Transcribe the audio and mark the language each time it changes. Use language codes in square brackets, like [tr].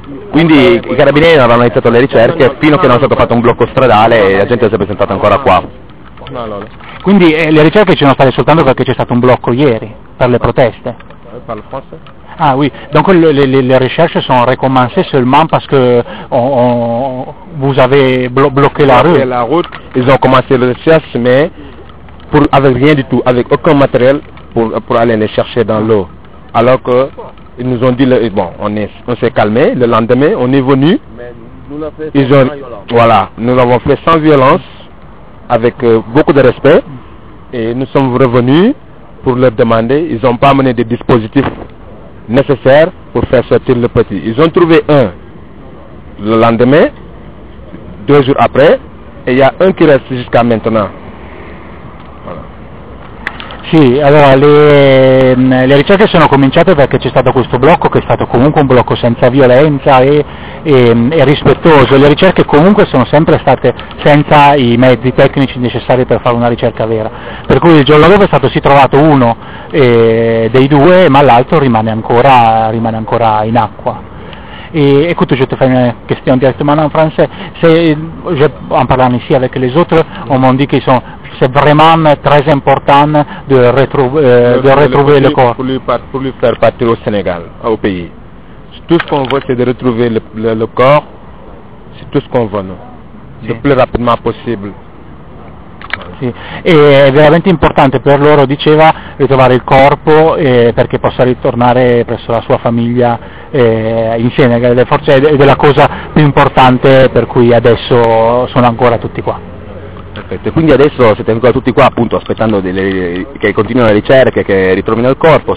[it] Quindi i carabinieri non avevano iniziato le ricerche fino a che non è stato fatto un blocco stradale e la gente si è presentata ancora qua. Quindi le ricerche ci sono state soltanto perché c'è stato un blocco ieri per le proteste. [fr] Ah oui, donc les recherches sont recommencées seulement parce que vous avez bloqué la rue. La route, ils ont commencé les recherches, mais avec rien du tout, avec aucun matériel pour aller les chercher dans l'eau. Alors que ils nous ont dit, on s'est calmé, le lendemain, on est venu. Nous l'avons fait sans violence, avec beaucoup de respect, et nous sommes revenus pour leur demander. Ils n'ont pas amené de dispositifs nécessaire pour faire sortir le petit. Ils ont trouvé un le lendemain, 2 jours après, et il y a un qui reste jusqu'à maintenant. [it] Sì, allora le ricerche sono cominciate perché c'è stato questo blocco, che è stato comunque un blocco senza violenza e rispettoso. Le ricerche comunque sono sempre state senza i mezzi tecnici necessari per fare una ricerca vera. Per cui il giorno dopo è stato trovato uno dei 2, ma l'altro rimane ancora in acqua. [fr] Écoute, je te fais une question directement en français. En parlant ici avec les autres, on m'a dit que c'est vraiment très important de retrouver le corps. Pour lui faire partir au Sénégal, au pays. Tout ce qu'on veut, c'est de retrouver le corps. C'est tout ce qu'on veut, nous. Si. Le plus rapidement possible. [it] Sì, è veramente importante per loro, diceva, ritrovare il corpo perché possa ritornare presso la sua famiglia in Senegal, forse è la cosa più importante per cui adesso sono ancora tutti qua. Perfetto, quindi adesso siete ancora tutti qua appunto aspettando che continuino le ricerche, che ritrovino il corpo.